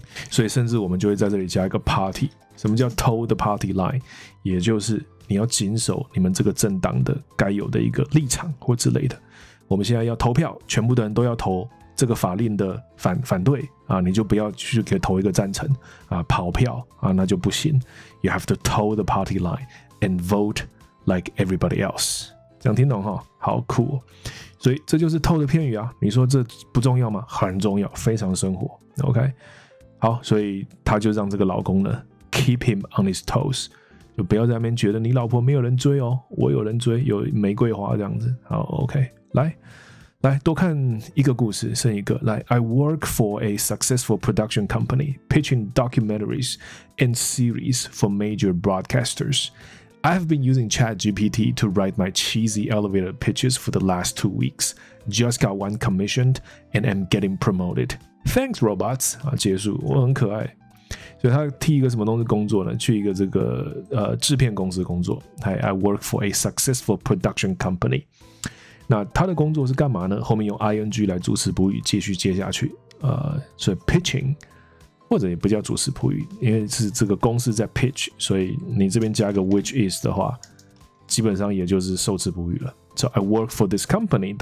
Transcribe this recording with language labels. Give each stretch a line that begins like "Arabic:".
Chinese: 所以甚至我们就会在这里加一个 party， 什么叫
English: toe the party line？
Chinese: 也就是。你要谨守你们这个政党的该有的一个立场或之类的。我们现在要投票，全部的人都要投这个法令的 反对、啊，你就不要去给投一个赞成，啊，跑票，啊，那就不行。
English: You have to toe the party line and vote like everybody else.
Chinese: 这样听懂哈？好酷哦。所以这就是toe的片语啊。你说这不重要吗？很重要，非常生活。OK， 好，所以他就让这个老公呢
English: keep him on his toes。
Chinese: 就不要在那边觉得你老婆没有人追哦，我有人追，有玫瑰花这样子。好 ，OK， 来，来多看一个故事，剩一个。
English: 来 ，I work for a successful production company pitching documentaries and series for major broadcasters. I have been using ChatGPT to write my cheesy elevator pitches for the last 2 weeks. Just got one commissioned and am getting promoted. Thanks, robots.
Chinese: 啊，结束，我很可爱。所以他替一个什么东西工作呢？去一个这个制片公司工作。
English: I work for a successful production company。
Chinese: 那他的工作是干嘛呢？后面用 ing 来主词补语继续接下去。所以 pitching 或者也不叫主词补语，因为是这个公司在 pitch， 所以你这边加一个 which is 的话，基本上也就是受词补语了。
English: So I work for this company.